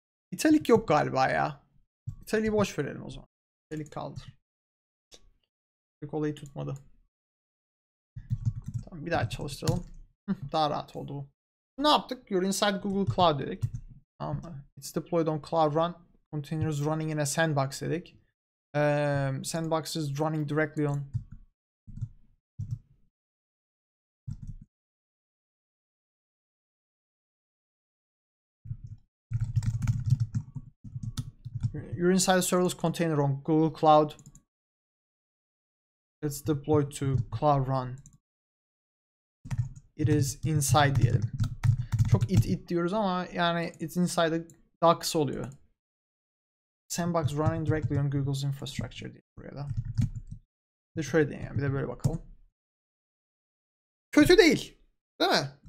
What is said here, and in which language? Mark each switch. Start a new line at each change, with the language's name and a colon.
Turkish: İtalik yok galiba ya. İtalik'i boş verelim o zaman. İtalik kaldır. Çok olayı tutmadı. Tamam, bir daha çalıştıralım. Daha rahat oldu bu. Ne yaptık?
English: You're inside Google Cloud
Turkish: dedik. Tamam mı?
English: It's deployed on Cloud Run. Continues running in a sandbox
Turkish: dedik.
English: Sandbox is running directly on. You're inside a serverless container on Google Cloud. It's deployed to Cloud Run. It is inside
Turkish: diyelim. Çok it diyoruz ama yani
English: it's inside a dock
Turkish: oluyor.
English: Sandbox running directly on Google's infrastructure
Turkish: diye buraya da. Bir de şöyle deneyelim. Bir de böyle bakalım. Kötü değil. Değil mi?